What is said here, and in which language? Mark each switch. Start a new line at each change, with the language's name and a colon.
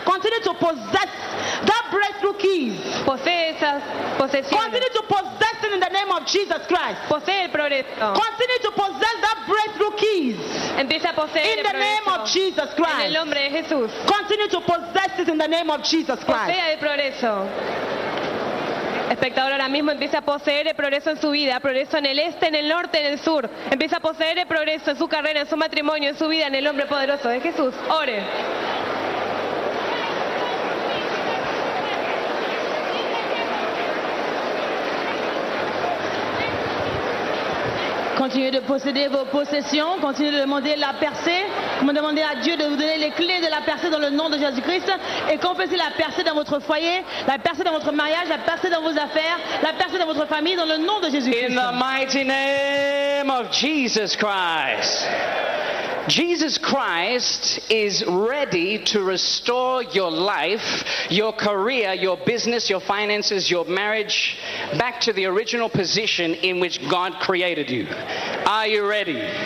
English: Continue to possess that breakthrough keys. Continue to possess it in the name of Jesus Christ. Continue to possess that breakthrough keys. In the name of Jesus Christ.
Spanish: En el nombre de Jesús.
English: Continue to possess it in the name of Jesus Christ.
Spanish: Posee el progreso. Espectador, ahora mismo empieza a poseer el progreso en su vida, progreso en el este, en el norte, en el sur. Empieza a poseer el progreso en su carrera, en su matrimonio, en su vida, en el hombre poderoso de Jesús. Ore.
French: Continuez de posséder vos possessions, continuez de demander la percée, comme demander à Dieu de vous donner les clés de la percée dans le nom de Jésus-Christ et confessez la percée dans votre foyer, la percée dans votre mariage, la percée dans vos affaires, la percée dans votre famille dans le nom de Jésus-Christ.
English: In the mighty name of Jesus Christ. Jesus Christ is ready to restore your life, your career, your business, your finances, your marriage, back to the original position in which God created you. Are you ready?